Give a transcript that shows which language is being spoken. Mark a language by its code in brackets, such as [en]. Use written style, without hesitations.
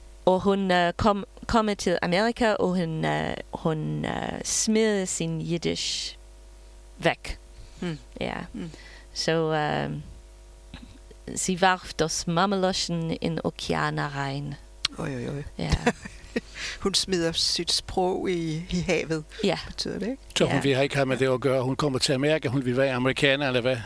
[da] Og hun kom til Amerika, og hun smed sin jiddisch væk. Mm. Ja. Så [de] sie warf das Mammeloschen in Okeana rein. Oi. [da] Ja. Hun smider sit sprog i havet, ja. Betyder det, ikke? Så hun vil ikke have med det at gøre. Hun kommer til Amerika, hun vil være amerikaner, eller hvad?